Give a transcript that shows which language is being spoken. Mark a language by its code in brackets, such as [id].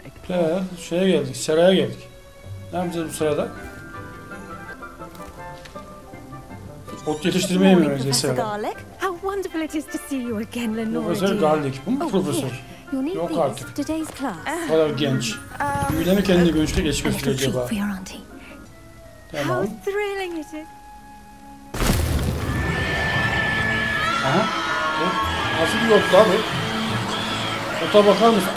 [tr] Evet, şeye geldik, seraya geldik. Ne yapacağız bu sırada? Ot yetiştirmeyi mi öğreneceğiz sırada? [en] How wonderful it is to see you again, Lenore. [tr] Profesör Garlic, bu mu profesör? Yok artık. O kadar genç. Öyle mi kendini görüşte geç gösteriyor acaba? Tamam. Aha. Nasıl bir otlu abi? Ota bakar mısın?